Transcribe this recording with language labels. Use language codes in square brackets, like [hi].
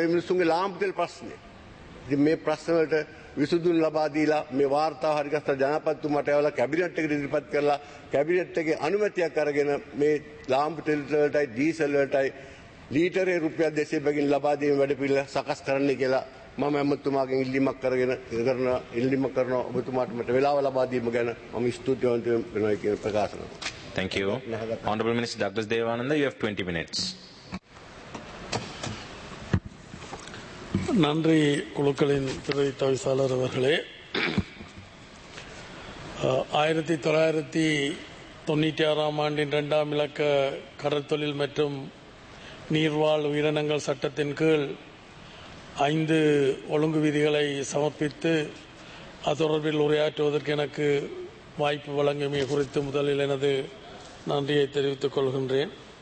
[si] මේ මිනිස්සුන්ගේ ලාම්පු තෙල් ප්‍රශ්නේ. ඉතින් මේ ප්‍රශ්නවලට විසඳුම් ලබා දීලා මේ වාර්තාව හරිගස්ස ජනපත්තුමට යවලා කැබිනට් එකට ඉදිරිපත් කරලා කැබිනට් එකේ අනුමැතියක් අරගෙන මේ ලාම්පු තෙල් වලටයි ඩීසල් වලටයි ලීටරේ රුපියල් 200කින් ලබා දීමේ වැඩපිළිවෙල සකස් කරන්න කියලා මම ඇමතුමාගෙන් ඉල්ලීමක් කරගෙන ඉගෙන ඉල්ලීමක් කරන ඔබතුමාට මට වෙලාව ලබා දීම ගැන මම ස්තුතිවන්ත වෙනවා කියලා ප්‍රකාශ කරනවා. [en] Thank you. Honorable Minister Douglas Devananda, you have 20 minutes. [ta] நன்றி குழுக்களின் திரை தவிசாளர் அவர்களே 1996 ஆண்டின் இரண்டாம் இலக்க கடற்தொழில் மற்றும் நீர்வாழ் உயிரினங்கள் சட்டத்தின் கீழ் 5 ஒழுங்கு விதிகளை சமர்ப்பித்து அது தொடர்பில் உரையாற்றுவதற்கு எனக்கு வாய்ப்பு வழங்குமே குறித்து முதலில் எனது நன்றியை தெரிவித்துக் கொள்கின்றேன்.